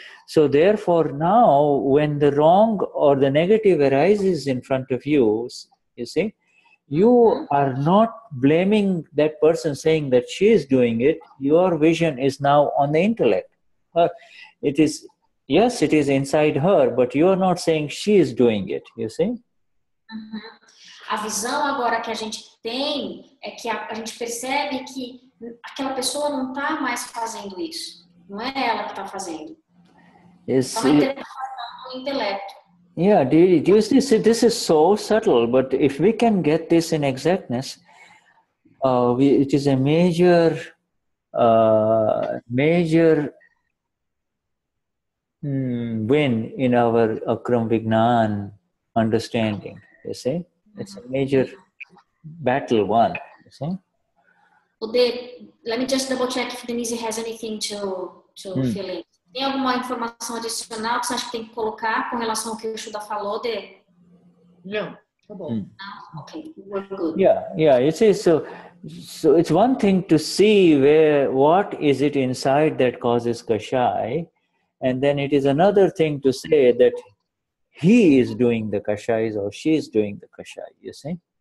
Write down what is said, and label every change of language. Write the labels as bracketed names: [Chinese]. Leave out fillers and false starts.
[English] So therefore now, when the wrong or the negative arises in front of you, you see, you are not blaming that person saying that she is doing it. Your vision is now on the intellect. It is, yes, it is inside her, but you are not saying she is doing it, you see. [Portuguese] A visão agora que a gente tem é que a gente percebe que aquela pessoa não está mais fazendo isso. Não é ela que está fazendo. Então, o intelecto. [English] Yeah, do you see, this is so subtle, but if we can get this in exactness, it is a major, win in our Akram Vignan understanding, you see? It's a major battle won, you see? Let me just double check if Denise has anything to fill in. [Portuguese] Tem alguma informação adicional que você acha que tem que colocar com relação ao que o Shuda falou, Dê? Não, tá bom. Não? [English] Okay, we're good. Yeah, you see, so it's one thing to see what is it inside that causes kashai, and then it is another thing to say that he is doing the kashais or she is doing the kashai, you see?